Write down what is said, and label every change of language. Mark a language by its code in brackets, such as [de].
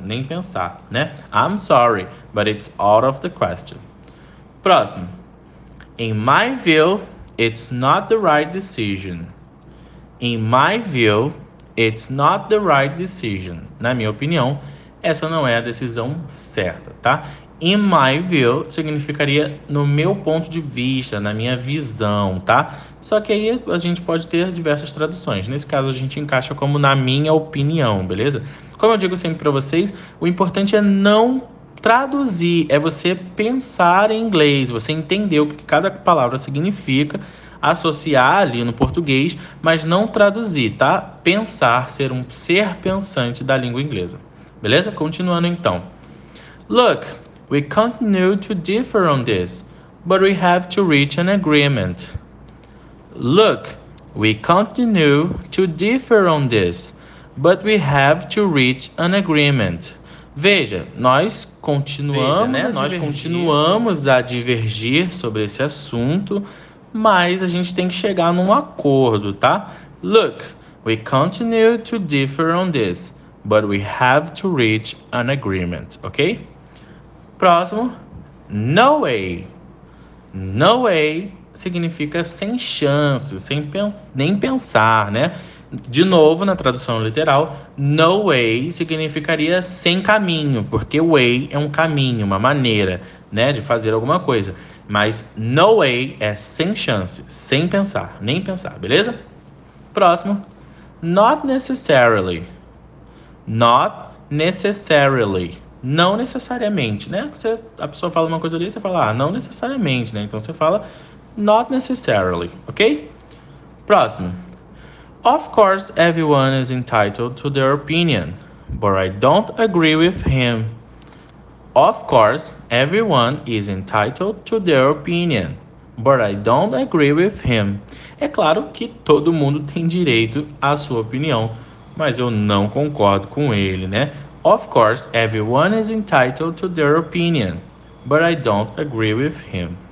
[pt] Nem pensar, né? [en] I'm sorry, but it's out of the question. [pt] Próximo. [en] In my view, it's not the right decision. In my view, it's not the right decision. [pt] Na minha opinião, essa não é a decisão certa, tá? [en] In my view [pt] significaria no meu ponto de vista, na minha visão, tá? Só que aí a gente pode ter diversas traduções. Nesse caso, a gente encaixa como na minha opinião, beleza? Como eu digo sempre para vocês, o importante é não traduzir, é você pensar em inglês, você entender o que cada palavra significa, associar ali no português, mas não traduzir, tá? Pensar, ser um ser pensante da língua inglesa. Beleza? Continuando então. [en] Look, we continue to differ on this, but we have to reach an agreement. Look, we continue to differ on this, but we have to reach an agreement. [pt] Veja, nós continuamos a divergir sobre esse assunto, mas a gente tem que chegar num acordo, tá? [en] Look, we continue to differ on this, but we have to reach an agreement, ok? [pt] Próximo. No way. No way significa sem chance, nem pensar, né? De novo, na tradução literal, no way significaria sem caminho, porque way é um caminho, uma maneira, né, de fazer alguma coisa. Mas no way é sem chance, sem pensar, nem pensar, beleza? Próximo. [en] Not necessarily. Not necessarily. [pt] Não necessariamente, né? Você, a pessoa fala uma coisa ali, você fala, não necessariamente, né? Então você fala, [en] not necessarily, [pt] ok? Próximo. [en] Of course, everyone is entitled to their opinion, but I don't agree with him. Of course, everyone is entitled to their opinion, but I don't agree with him. [pt] É claro que todo mundo tem direito à sua opinião, mas eu não concordo com ele, né? [en] Of course, everyone is entitled to their opinion, but I don't agree with him.